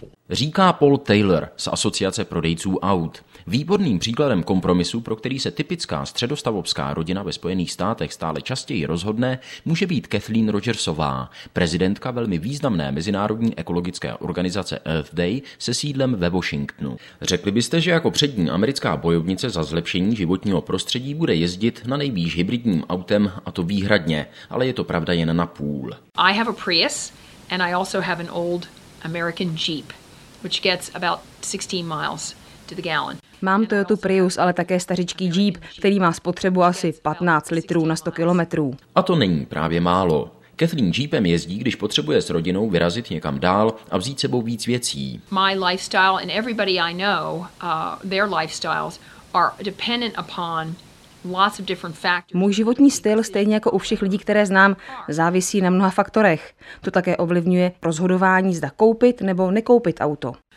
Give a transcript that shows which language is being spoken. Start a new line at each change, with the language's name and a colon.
Czech: Říká Paul Taylor z Asociace prodejců aut. Výborným příkladem kompromisu, pro který se typická středostavovská rodina ve Spojených státech stále častěji rozhodne, může být Kathleen Rogersová, prezidentka velmi významné mezinárodní ekologické organizace Earth Day se sídlem ve Washingtonu. Řekli byste, že jako přední americká bojovnice za zlepšení životního prostředí bude jezdit na nejvýš hybridním autem, a to výhradně, ale je to pravda jen na půl.
English: I have a Prius and I also have an old American Jeep, which gets about 16 miles to the gallon.
Czech: Mám Toyota Prius, ale také stařičký Jeep, který má spotřebu asi 15 litrů na 100 kilometrů. A to není právě málo. Kathleen Jeepem jezdí, když potřebuje s rodinou vyrazit někam dál a vzít sebou víc věcí.
English: My lifestyle and everybody I know, their lifestyles are dependent upon
Czech: Můj životní styl, stejně jako u všech lidí, které znám, závisí na mnoha faktorech. To také ovlivňuje rozhodování, zda koupit nebo nekoupit auto.